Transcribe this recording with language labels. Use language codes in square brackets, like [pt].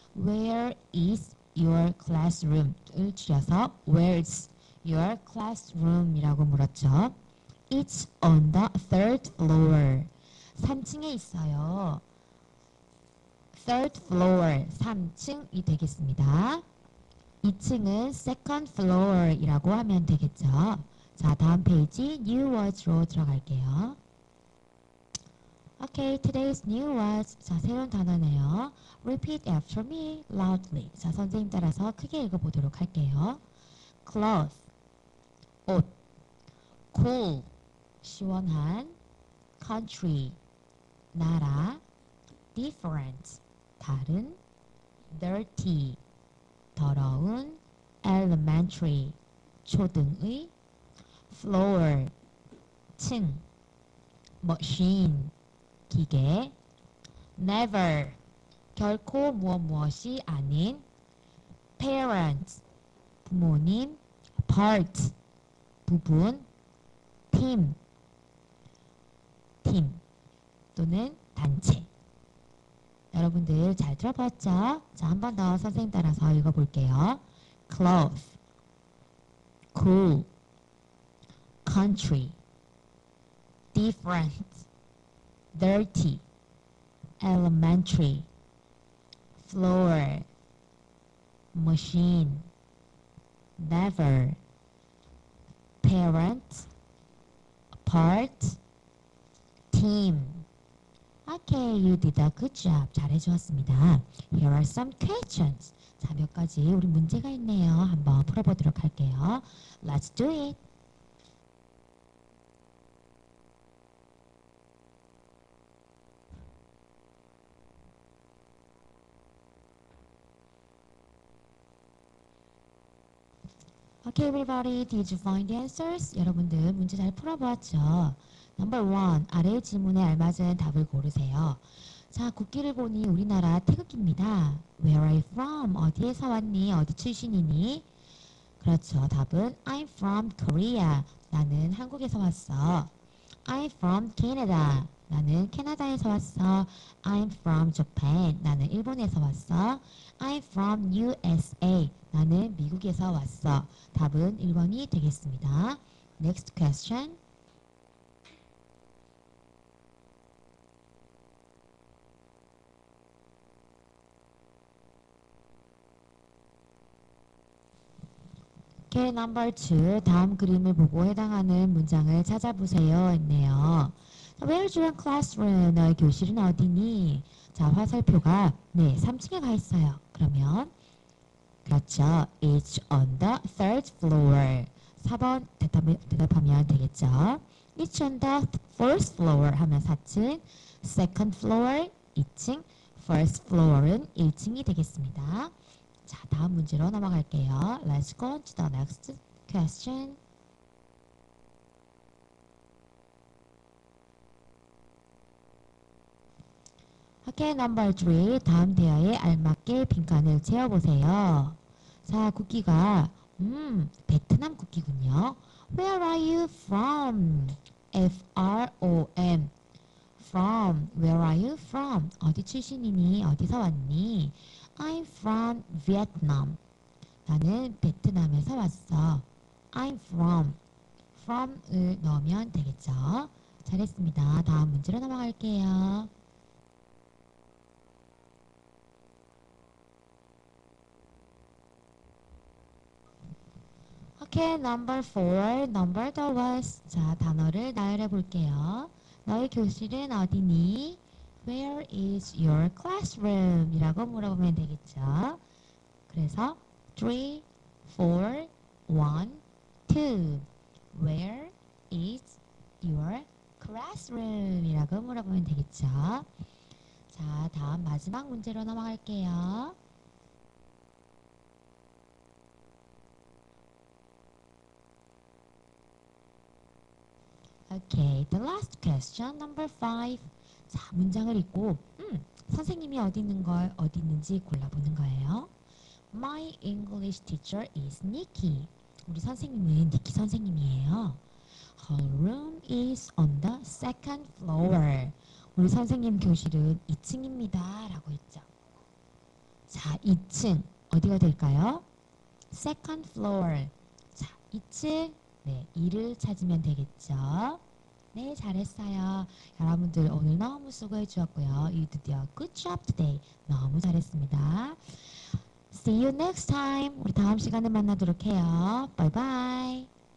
[en] Where is your classroom? [ko] 을 줄여서 [en] Where's your classroom? [ko] 이라고 물었죠. [en] It's on the third floor. [ko] 3층에 있어요. [en] Third floor, [ko] 3층이 되겠습니다. 2층은 [en] second floor [ko] 이라고 하면 되겠죠. 자, 다음 페이지 [en] new words [ko] 로 들어갈게요. [en] Okay, today's new words. [ko] 자, 새로운 단어네요. [en] Repeat after me loudly. [ko] 자, 선생님 따라서 크게 읽어보도록 할게요. Cloth, 옷. Cool, 시원한. Country, 나라. Different, 다른. Dirty, 더러운. Elementary, 초등의. Floor, 층. Machine, 기계. Never, 결코 무엇무엇이 아닌. Parents, 부모님. Part, 부분. Team, 팀 또는 단체. 여러분들 잘 들어봤죠? 자, 한 번 더 선생님 따라서 읽어볼게요. [en] Cloth, cool, country, different, dirty, elementary, floor, machine, never, parent, part, team. Okay, you did a good job. [ko] 잘해주었습니다. [en] Here are some questions. [ko] 자, 몇 가지 우리 문제가 있네요. 한번 풀어보도록 할게요. [en] Let's do it. Okay, everybody, did you find the answers? [ko] 여러분들 문제 잘 풀어보았죠? [en] Number one, [ko] 아래 질문에 알맞은 답을 고르세요. 자, 국기를 보니 우리나라 태극기입니다. [en] Where are you from? [ko] 어디에서 왔니? 어디 출신이니? 그렇죠. 답은 [en] I'm from Korea. [ko] 나는 한국에서 왔어. [en] I'm from Canada. [ko] 나는 캐나다에서 왔어. [en] I'm from Japan. [ko] 나는 일본에서 왔어. [en] I'm from USA. [ko] 나는 미국에서 왔어. 답은 1번이 되겠습니다. [en] Next question. Okay, number two. [ko] 다음 그림을 보고 해당하는 문장을 찾아보세요. 했네요. [en] Where's your classroom? [ko] 너의 교실은 어디니? 자, 화살표가 네, 3층에 가 있어요. 그러면 그렇죠. [en] It's on the third floor. [ko] 4번 대답하면 되겠죠. [en] It's on the first floor [ko] 하면 4층. [en] Second floor 2층. First floor [ko] 은 1층이 되겠습니다. 자, 다음 문제로 넘어갈게요. [en] Let's go on to the next question. Okay, number three. [ko] 다음 대화에 알맞게 빈칸을 채워보세요. 자, 국기가 베트남 국기군요. [en] Where are you from? From. From. Where are you from? [ko] 어디 출신이니? 어디서 왔니? [en] I'm from Vietnam. [ko] 나는 베트남에서 왔어. [en] I'm from. [ko] From을 넣으면 되겠죠? 잘했습니다. 다음 문제로 넘어갈게요. 오케이, 넘버 4, 넘버 더 워스. 자, 단어를 나열해 볼게요. 너의 교실은 어디니? [en] Where is your classroom? [ko] 이라고 물어보면 되겠죠. 그래서 3, 4, 1, 2. [en] Where is your classroom? [ko] 이라고 물어보면 되겠죠. 자, 다음 마지막 문제로 넘어갈게요. [en] 오케이, the last question, number five. [ko] 자, 문장을 읽고, 선생님이 어디 있는지 골라보는 거예요. [en] My English teacher is Nikki. [ko] 우리 선생님은 니키 선생님이에요. [en] Her room is on the second floor. [ko] 우리 선생님 교실은 2층입니다. 라고 했죠. 자, 2층. 어디가 될까요? [en] Second floor. [ko] 자, 2층. 네, 2를 찾으면 되겠죠. 네, 잘했어요. 여러분들 오늘 너무 수고해주었고요. [en] You did a good job today. [ko] 너무 잘했습니다. [en] See you next time. [ko] 우리 다음 시간에 만나도록 해요. [en] Bye bye.